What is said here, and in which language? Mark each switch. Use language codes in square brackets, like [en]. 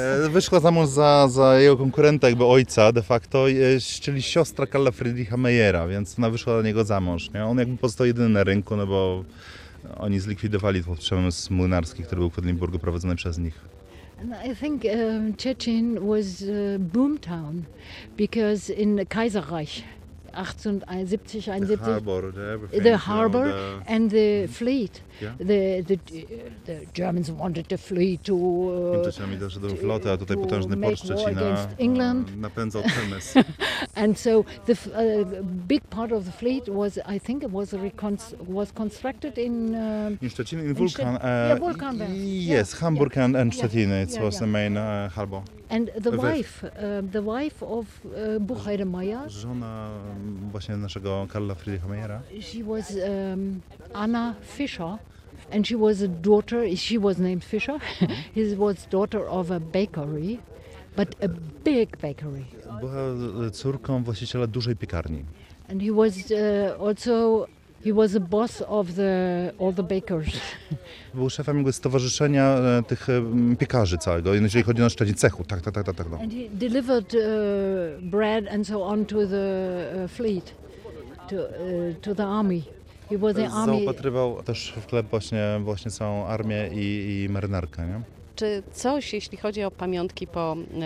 [pl] Wyszła za mąż za jego konkurenta, jakby ojca de facto, czyli siostra Karla Friedricha Meyera, więc ona wyszła dla niego za mąż. Nie? On jakby pozostał jedyny na rynku, no bo oni zlikwidowali to przemysł młynarski, który był w Kwedlinburgu prowadzony przez nich. [en] I think Czechin was a boom town, because in the Kaiserreich, 1871, the harbor and the fleet. Yeah. The Germans wanted the fleet to. [pl] Niemcy chcieli dążyć do floty, a tutaj potężny port Szczecina napędzał przemysł. [en] And so the big part of the fleet was, I think, it was constructed in. Szczecin, in Vulcan. Yes, Hamburg and Szczecin. It was the main harbor. And the wife of Buchheidemeyer. [pl] Żona właśnie naszego Karla Friedricha Meyera. [en] She was Anna Fischer, and she was a daughter. She was named Fischer. She was daughter of a bakery, but a big bakery. [pl] Była córką właściciela dużej piekarni. [en] And he was also. He was the boss of all the bakers. [pl] Był szefem jego stowarzyszenia tych piekarzy całego, jeżeli chodzi o Szczecin, cechu. Tak. [en] And he delivered bread and so on to the fleet, to the army. He was the army. [pl] Zaopatrywał też w chleb właśnie całą armię i marynarkę, nie? Czy coś, jeśli chodzi o pamiątki po